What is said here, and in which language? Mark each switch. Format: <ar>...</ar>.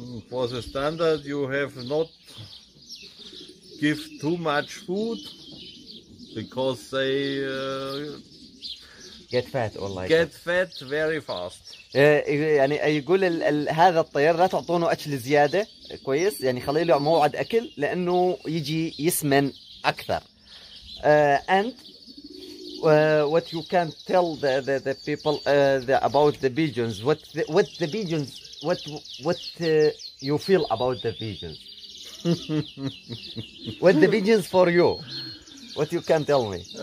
<en>For the standard, you have not give too much food because they. Get fat والله. Get fat very fast.</en> <ar>يعني يقول هذا الطير لا تعطونه أكل زيادة، كويس؟ يعني خليه له موعد أكل لأنه يجي يسمن أكثر.</ar> <en>And what you can tell the people about the pigeons? What the pigeons? What you feel about the pigeons? What the pigeons for you? What you can tell me?</en>